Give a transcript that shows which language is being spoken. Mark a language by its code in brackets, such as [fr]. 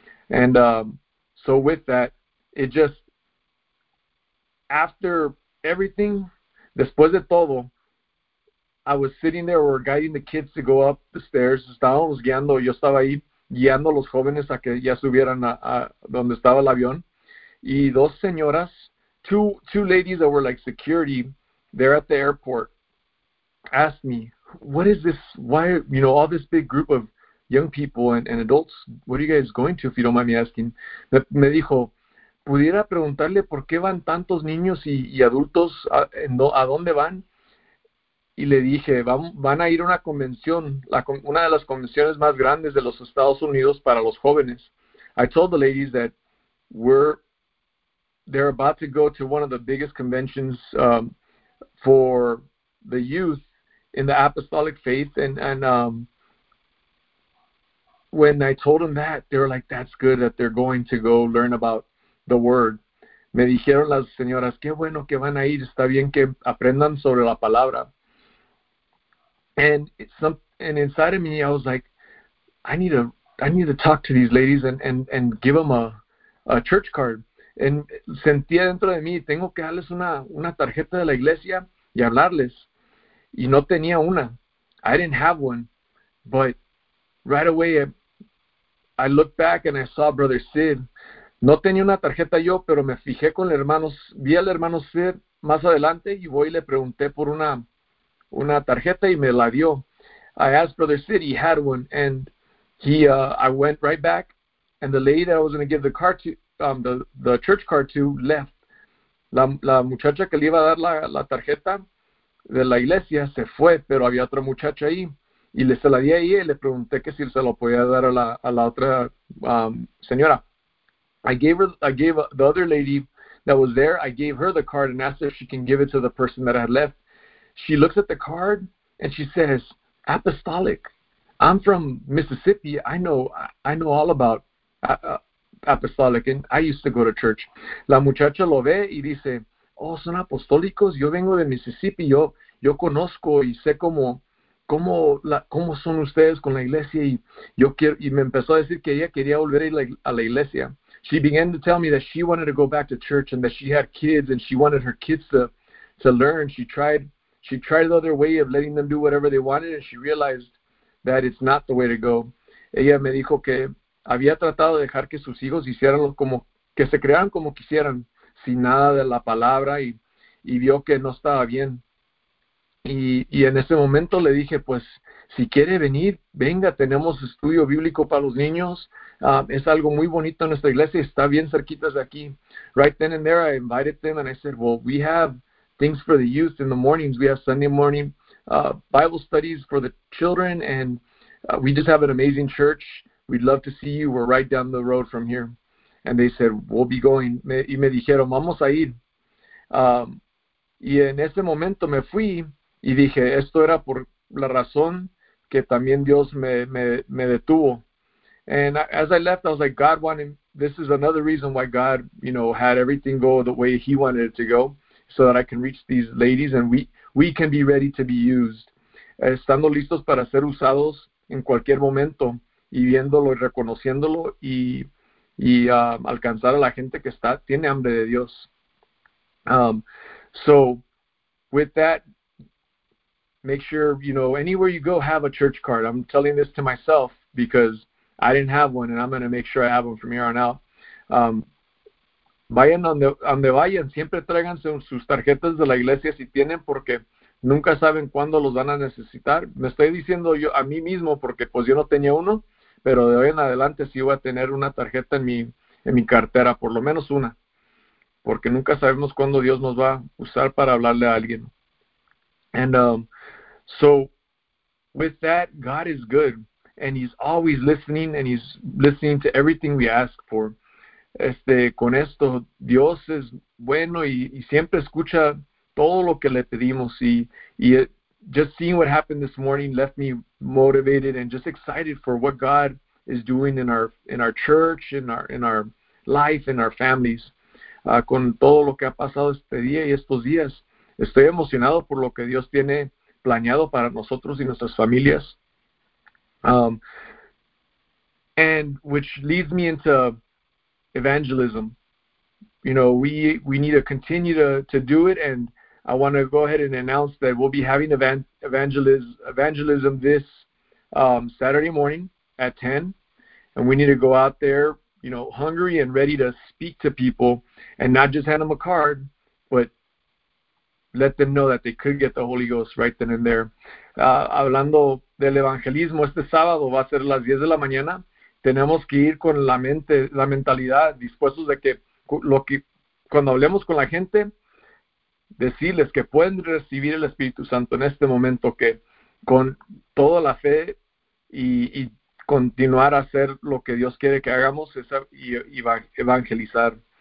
[en] And so with that, it just, after everything, [es] después de todo, [en] I was sitting there, we were guiding the kids to go up the stairs. [es] Estábamos guiando, yo estaba ahí guiando a los jóvenes a que ya subieran a donde estaba el avión. Y dos señoras, [en] two ladies that were like security there at the airport, asked me, "What is this? Why, all this big group of young people and adults, what are you guys going to, if you don't mind me asking?" [es] Me dijo, "¿Pudiera preguntarle por qué van tantos niños y adultos? ¿A dónde van?" Y le dije, van a ir a una convención, una de las convenciones más grandes de los Estados Unidos para los jóvenes. [en] I told the ladies that they're about to go to one of the biggest conventions for the youth in the apostolic faith. And when I told them that, they were like, "That's good that they're going to go learn about the word." [es] Me dijeron las señoras, "Qué bueno que van a ir, está bien que aprendan sobre la palabra." [en] And inside of me, I was like, I need to talk to these ladies and give them a church card. [es] And sentía dentro de mí, tengo que darles una tarjeta de la iglesia y hablarles. Y no tenía una. [en] I didn't have one. But right away, I looked back and I saw Brother Sid. [es] No tenía una tarjeta yo, pero me fijé con el hermano, vi al hermano Sid más adelante y voy y le pregunté por una tarjeta y me la dio. [en] I asked Brother Sid, he had one, and I went right back, and the lady that I was going to give the card to, the church card to, left. [es] La muchacha que le iba a dar la tarjeta de la iglesia se fue, pero había otra muchacha ahí, y le se la di ahí y le pregunté que si se lo podía dar a la otra señora. [en] I gave the other lady that was there, I gave her the card and asked her if she can give it to the person that I had left. She looks at the card and she says, "Apostolic. I'm from Mississippi. I know all about apostolic, and I used to go to church." [es] La muchacha lo ve y dice, "Oh, son apostólicos. Yo vengo de Mississippi. Yo conozco y sé cómo son ustedes con la iglesia." Y yo quiero y me empezó a decir que ella quería volver a la iglesia. [en] She began to tell me that she wanted to go back to church and that she had kids and she wanted her kids to learn. She tried the other way of letting them do whatever they wanted, and she realized that it's not the way to go. [es] Ella me dijo que había tratado de dejar que sus hijos hicieran como que se crearan como quisieran, sin nada de la palabra, y vio que no estaba bien. Y en ese momento le dije, pues si quiere venir, venga, tenemos estudio bíblico para los niños. Es algo muy bonito en nuestra iglesia, está bien cerquita de aquí. [en] Right then and there, I invited them, and I said, "Well, we have things for the youth in the mornings. We have Sunday morning Bible studies for the children, and we just have an amazing church. We'd love to see you. We're right down the road from here." And they said, "We'll be going." [es] Y me dijeron, "Vamos a ir." Y en ese momento me fui y dije, esto era por la razón que también Dios me detuvo. [en] And as I left, I was like, "God wanted, this is another reason why God, had everything go the way He wanted it to go, so that I can reach these ladies and we can be ready to be used." [es] Estando listos para ser usados en cualquier momento y viéndolo y reconociéndolo y alcanzar a la gente que tiene hambre de Dios. [en] So with that, make sure, anywhere you go, have a church card. I'm telling this to myself because I didn't have one and I'm going to make sure I have one from here on out. [es] Vayan donde vayan, siempre tráiganse sus tarjetas de la iglesia si tienen, porque nunca saben cuándo los van a necesitar. Me estoy diciendo yo a mí mismo, porque pues yo no tenía uno, pero de hoy en adelante sí voy a tener una tarjeta en mi cartera, por lo menos una. porque nunca sabemos cuándo Dios nos va a usar para hablarle a alguien. [en] And so with that, God is good, and he's always listening, and he's listening to everything we ask for. [es] Con esto, Dios es bueno y siempre escucha todo lo que le pedimos. [en] Y just seeing what happened this morning left me motivated and just excited for what God is doing in our church, in our life, in our families. [es] Con todo lo que ha pasado este día y estos días, estoy emocionado por lo que Dios tiene planeado para nosotros y nuestras familias. [en] And which leads me into evangelism. You know, we need to continue to do it, and I want to go ahead and announce that we'll be having evangelism this Saturday morning at 10, and we need to go out there, you know, hungry and ready to speak to people and not just hand them a card, but let them know that they could get the Holy Ghost right then and there. [es] Hablando del evangelismo, este sábado va a ser las 10 de la mañana. Tenemos que ir con la mente, la mentalidad, dispuestos de que lo que cuando hablemos con la gente, decirles que pueden recibir el Espíritu Santo en este momento, que con toda la fe y continuar a hacer lo que Dios quiere que hagamos es evangelizar.